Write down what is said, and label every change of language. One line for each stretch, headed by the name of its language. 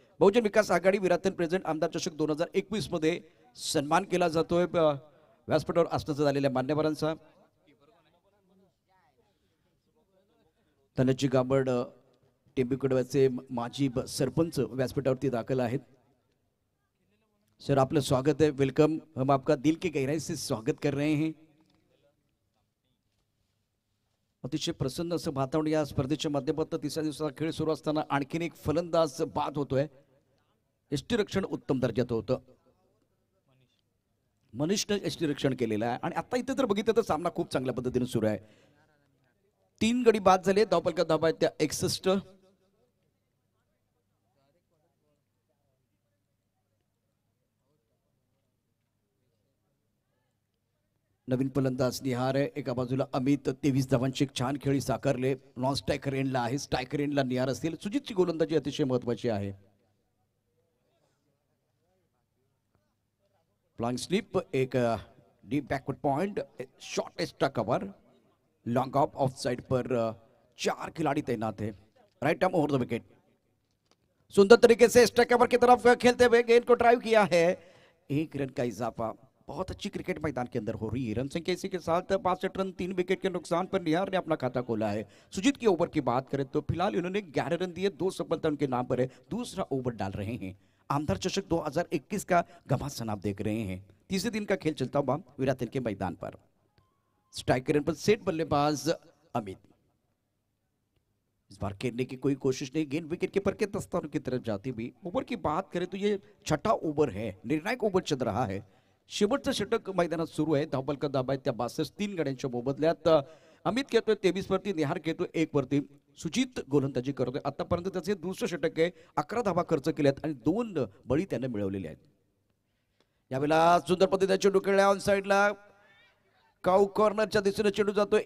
Marathi: बहुजन विकास आघाडी Virathan president आमदार चषक 2021 मध्ये सन्मान केला जातोय व्यासपीठावर असण्याचा झालेल्या मान्यवरांचा. धनजी गाबड टेंबी कुडव्याचे माजी सरपंच व्यासपीठावरती दाखल आहेत. सर आपलं स्वागत आहे,
Hindi: वेलकम, हम आपका दिल के गहराई से स्वागत कर रहे हैं.
Marathi: अतिशय प्रसन्न असं वातावरण या स्पर्धेच्या मध्यमातून. तिसऱ्या दिवसाचा खेळ सुरू असताना आणखीन एक फलंदाज बाद होतोय. यष्टीरक्षण उत्तम दर्जाचं होतं, मनिष्ठ यष्टीरक्षण केलेलं आहे. आणि आता इथे जर बघितलं तर सामना खूप चांगल्या पद्धतीने सुरू आहे. तीन गडी बाद झाले, धावपळका धावा आहेत त्या 61. नवीन फलंदाज निहार आहे एका बाजूला, अमित 23 धावांचे एक छान खेळी साकारले. नॉन स्ट्रायकर एंडला आहे, स्ट्रायकर एंडला निहार असतील. सुजितची गोलंदाजी अतिशय महत्वाची आहे.
Hindi: प्लॉंग स्लिप, एक deep backward point, short extra cover, long off of side पर 4 खिलाड़ी तैनात है. Right arm over the wicket, सुंदर तरीके से स्ट्राइक ओवर की तरफ खेलते हुए गेंद को ड्राइव किया है. 1 रन का इजाफा, बहुत अच्छी क्रिकेट मैदान के अंदर हो रही है. रन संख्या इसी के साथ 65 रन 3 विकेट के नुकसान पर निहार ने अपना खाता खोला है. सुजीत की ओवर की बात करें तो फिलहाल इन्होंने 11 रन दिए, 2 सफलता उनके नाम पर है. दूसरा ओवर डाल रहे हैं. आमदार चषक 2021 का घमासान आप देख रहे हैं. तीसरे दिन का खेल चलता हुआ विराथन के मैदान पर. स्ट्राइकर पर सेट बल्लेबाज अमित, इस बार खेलने की कोई कोशिश नहीं. गेंद विकेट कीपर के दस्तानों की तरफ जाती हुई. ओवर की बात करें तो ये 6ठा ओवर है, निर्णायक ओवर चल रहा है.
Marathi: शेवटचा षटक मैदानात सुरू आहे. धावपळ का धाबा त्या 62-3 गड्यांच्या मोबदल्यात अमित खेळतोय 23 वरती, निहार खेळतोय 1 वरती. सुजित गोलंदाजी करतोय. आतापर्यंत त्याचे दुसरं षटक आहे, 11 धावा खर्च केल्यात आणि 2 बळी त्याने मिळवलेले आहेत. यावेळेला सुंदर पद्धतीने चेंडू खेळला ऑन साइडला, काऊ कॉर्नरच्या दिशेने चेंडू जातोय.